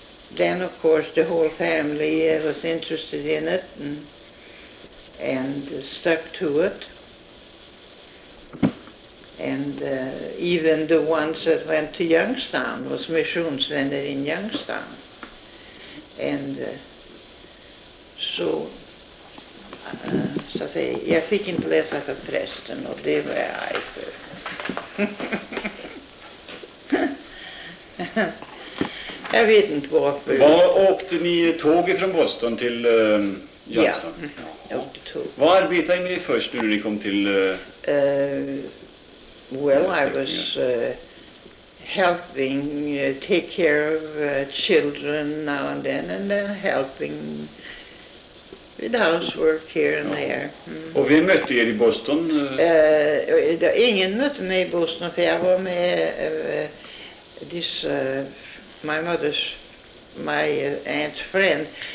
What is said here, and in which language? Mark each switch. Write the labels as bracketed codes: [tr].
[en] Then, of course, the whole family was interested in it and stuck to it. And even the ones that went to Youngstown was missionsvänner in Youngstown. And [sv] så att jag fick inte läsa för prästen och det var jag arg för. Jag vet inte varför. Var åkte ni tåg ifrån Boston till Youngstown? Ja, jag åkte tåg. Vad arbetade ni först när ni kom till... [en] I was helping take care of children now and then and then helping with housework here and there. [sv] Mm. Och vem mötte er i Boston? Ingen mötte mig i Boston för jag var med [en] my aunt's friend.